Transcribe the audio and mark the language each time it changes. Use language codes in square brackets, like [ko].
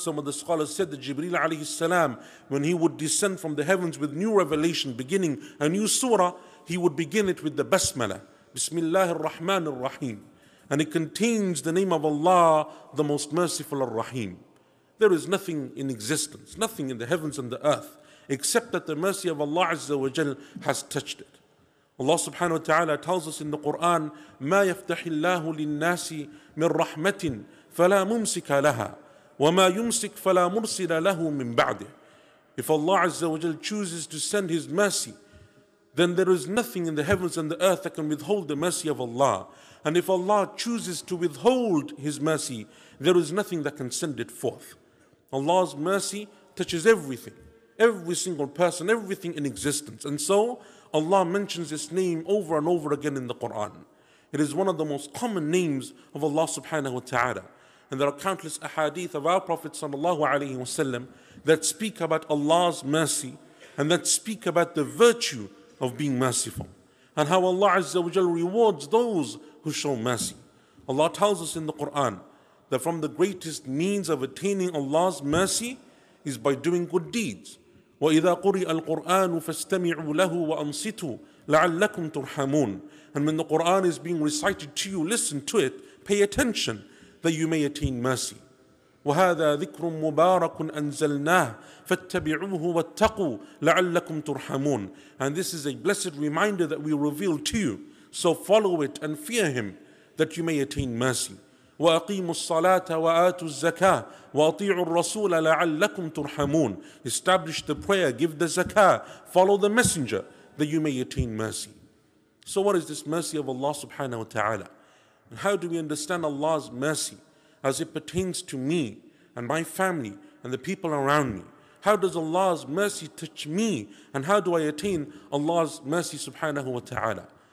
[en] Some of the scholars said that Jibreel alayhi salam, when he would descend from the heavens with new revelation, beginning a new surah, he would begin it with the Basmala, Bismillahir Rahmanir Rahim. And it contains the name of Allah, the most merciful Ar-Rahim. There is nothing in existence, nothing in the heavens and the earth, except that the mercy of Allah Azza wa Jal has touched it. Allah subhanahu wa ta'ala tells us in the Quran, [ar] مَا يَفْتَحِ اللَّهُ لِلنَّاسِ مِنْ رَحْمَةٍ فَلَا مُمْسِكَ لَهَا وَمَا يُمْسِكَ فَلَا مُرْسِلَ لَهُ مِنْ بَعْدِهِ. [en] If Allah Azza wa Jal chooses to send His mercy, then there is nothing in the heavens and the earth that can withhold the mercy of Allah. And if Allah chooses to withhold His mercy, there is nothing that can send it forth. Allah's mercy touches everything, every single person, everything in existence. And so Allah mentions this name over and over again in the Quran. It is one of the most common names of Allah subhanahu wa ta'ala. And there are countless ahadith of our Prophet sallallahu alayhi wa sallam that speak about Allah's mercy and that speak about the virtue of being merciful and how Allah azza wa jal rewards those who show mercy. Allah tells us in the Quran that from the greatest means of attaining Allah's mercy is by doing good deeds. [ar] وَإِذَا قُرِئَ الْقُرْآنُ فَاسْتَمِعُوا لَهُ وَأَنصِتُوا لَعَلَّكُمْ تُرْحَمُونَ. [en] And when the Quran is being recited to you, listen to it, pay attention, that you may attain mercy. [ar] وهذا ذكر مبارك أنزلناه فاتبعوه واتقوا لعلكم ترحمون. [en] And this is a blessed reminder that we revealed to you, so follow it and fear him that you may attain mercy. [ar] وأقيموا الصلاة وآتوا الزكاة وأطيعوا الرسول لعلكم ترحمون. [en] Establish the prayer, give the zakah, follow the messenger that you may attain mercy. So what is this mercy of Allah subhanahu wa ta'ala? And how do we understand Allah's mercy as it pertains to me and my family and the people around me? How does Allah's mercy touch me? And how do I attain Allah's mercy subhanahu wa ta'ala?